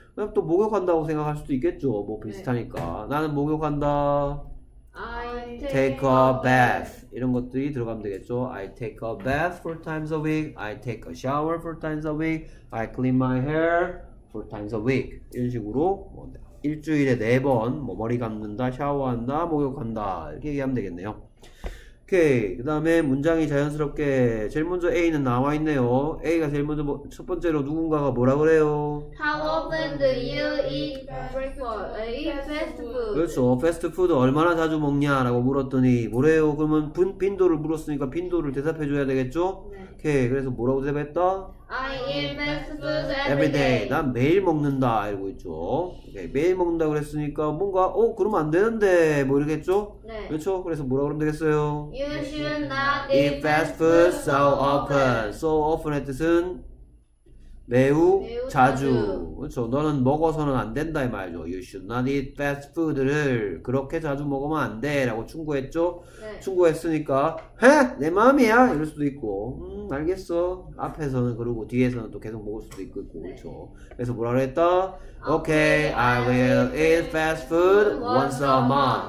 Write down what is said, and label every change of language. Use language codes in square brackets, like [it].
[ko] 그럼 또 목욕한다고 생각할 수도 있겠죠. 뭐 비슷하니까. 네. 나는 목욕한다. [en] I take a bath. [ko] 이런 것들이 들어가면 되겠죠. [en] I take a bath 4 times a week. I take a shower 4 times a week. I clean my hair 4 times a week. [ko] 이런 식으로 뭐 일주일에 4번 뭐 머리 감는다, 샤워한다, 목욕한다 이렇게 얘기하면 되겠네요. 오케이. 그 다음에 문장이 자연스럽게 제일 먼저 A는 나와 있네요. A가 제일 먼저 첫 번째로 누군가가 뭐라 그래요? [en] How often do you eat fast food? [ko] 그렇죠. 패스트 푸드 얼마나 자주 먹냐라고 물었더니 뭐래요? 그러면 빈도를 물었으니까 빈도를 대답해 줘야 되겠죠? 네. 오케이. 그래서 뭐라고 대답했다? [en] I eat fast food every day. [ko] 난 매일 먹는다 이러고 있죠. 오케이. 매일 먹는다 그랬으니까 뭔가 어 그러면 안 되는데 뭐 이러겠죠? 네. 그렇죠? 그래서 뭐라고 하면 되겠어요? [en] You should not eat fast food so often. So often [ko] 의 뜻은 매우 자주. 그렇죠. 너는 먹어서는 안 된다 이 말이죠. [en] You should not eat fast food [ko] 를 그렇게 자주 먹으면 안 돼 라고 충고했죠. 네. 충고했으니까 헤? 내 마음이야? 이럴 수도 있고 알겠어. 앞에서는 그러고 뒤에서는 또 계속 먹을 수도 있고 있고. 네. 그렇죠. 그래서 뭐라고 했다? [en] Okay, I will eat fast food once a month.